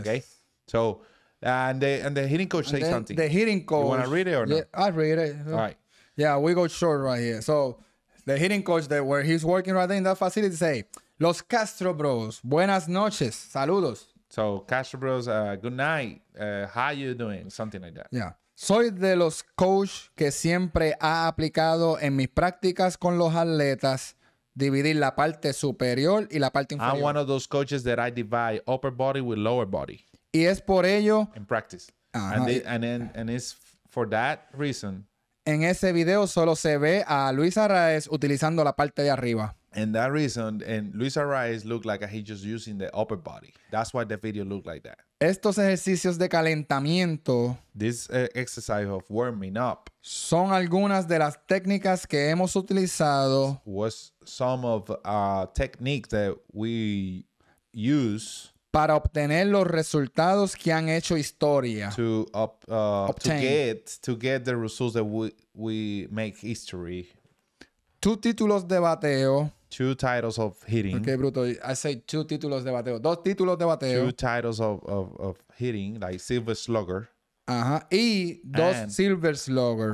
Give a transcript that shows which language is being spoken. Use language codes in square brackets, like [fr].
[en] Okay? So, and the hitting coach says something. The hitting coach. You want to read it or not? Yeah, I read it. All right. Yeah, we go short right here. So, the hitting coach that where he's working right there in that facility say, Los Castro Bros, [es] buenas noches, saludos. [en] So, Castro Bros, good night. How you doing? Something like that. Yeah. [es] Soy de los coach que siempre ha aplicado en mis prácticas con los atletas dividir la parte superior y la parte inferior. [en] I'm one of those coaches that I divide upper body with lower body. [es] Y es por ello... [en] In practice. Uh-huh. And it's for that reason. [es] En ese video solo se ve a Luis Arraez utilizando la parte de arriba. [en] And that reason, and Luis Arraez looked like he's just using the upper body. That's why the video looked like that. [es] Estos ejercicios de calentamiento... [en] This exercise of warming up... [es] Son algunas de las técnicas que hemos utilizado... [en] Was some of techniques that we use... [es] Para obtener los resultados que han hecho historia. [en] To get the results that we make history. Two [es] títulos de bateo. [en] Two titles of hitting. Okay, Bruto. I say two [es] títulos de bateo. Dos títulos de bateo. [en] Two titles of hitting, like Silver Slugger. Uh-huh. [es] Y dos [en] and, Silver Slugger.